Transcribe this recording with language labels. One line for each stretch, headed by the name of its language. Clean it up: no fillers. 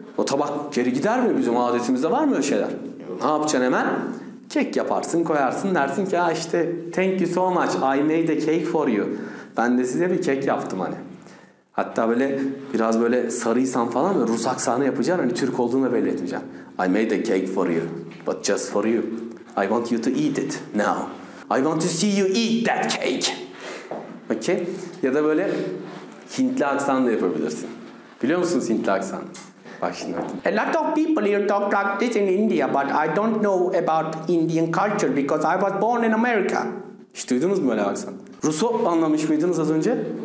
Turkish: O tabak geri gider mi? Bizim adetimizde var mı öyle şeyler? Ne yapacaksın hemen? Kek yaparsın, koyarsın, dersin ki ha işte
English: thank you so much, I made a cake for you.
Turkish: Ben de size bir kek yaptım hani. Hatta böyle biraz böyle sarıysan falan böyle Rus aksanı yapacaksın, hani Türk olduğunu belli etmeyeceksin.
English: I made a cake for you, but just for you. I want you to eat it now. I want to see you eat that cake. Okay?
Turkish: Ya da böyle Hintli aksan da yapabilirsin. Biliyor musunuz Hintli aksan?
English: A lot of people here talk like this in India, but I don't know about Indian culture because I was born in America.
Turkish: Hiç duydunuz mu öyle aksan? Rus'u anlamış mıydınız az önce?